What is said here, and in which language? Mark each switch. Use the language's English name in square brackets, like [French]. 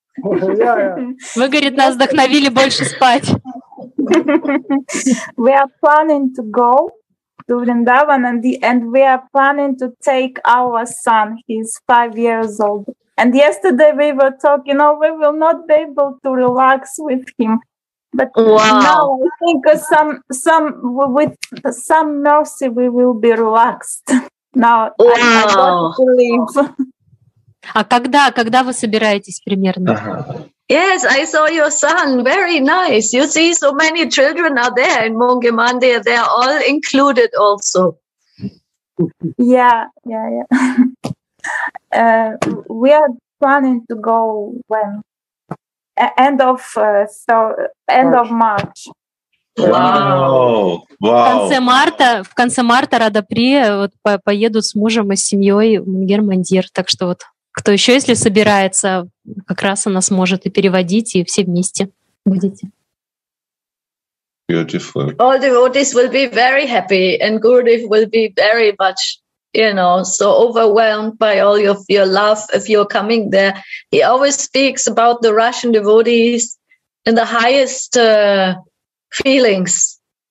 [Russian] Вы, говорит, нас вдохновили больше спать. [English] We are planning to go to Vrindavan and we are planning to take our son. He's 5 years old. And yesterday we were talking, you know, we will not be able to relax with him. But now I think with some mercy we will be relaxed. Now I don't believe. [Russian] А когда вы собираетесь примерно? [English] Yes, I saw your son. Very nice. You see, so many children are there in Monge Mandir. They are all included also. We are planning to go when? End of March. Wow. [Russian] В конце марта Рада Прия вот поеду с мужем и с семьей в Монгер Мандир. Так что вот. Кто еще, если собирается, как раз она сможет и переводить, и все вместе будете. [English] Beautiful. All devotees will be very happy, and Gurudev will be very much, you know, so overwhelmed by all of your love if you're coming there. He always speaks about the Russian devotees in the highest feelings.